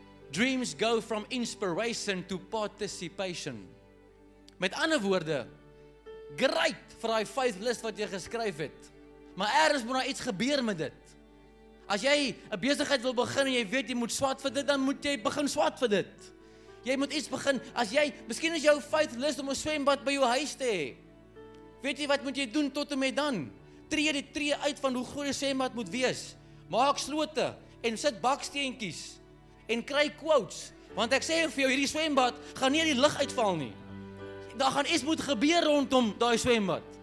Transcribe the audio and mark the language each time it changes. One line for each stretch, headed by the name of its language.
English: dreams go from inspiration to participation,
Afrikaans: met ander woorde, great vir die 5 list wat jy geskryf het, maar ergens moet daar iets gebeur met dit, as jy 'n besigheid wil begin, en jy weet jy moet swat vir dit, dan moet jy begin swat vir dit, Jy moet iets begin. As jy, miskien is jou faith list om 'n swembad by jou huis te hê. Weet jy wat moet jy doen tot en met dan? Tree uit van hoe groot die swembad moet wees. Maak slote en sit baksteentjies en kry quotes. Want ek sê vir jou, hierdie swembad gaan nie die lig uitval nie. Daar gaan iets moet gebeur rondom daai swembad.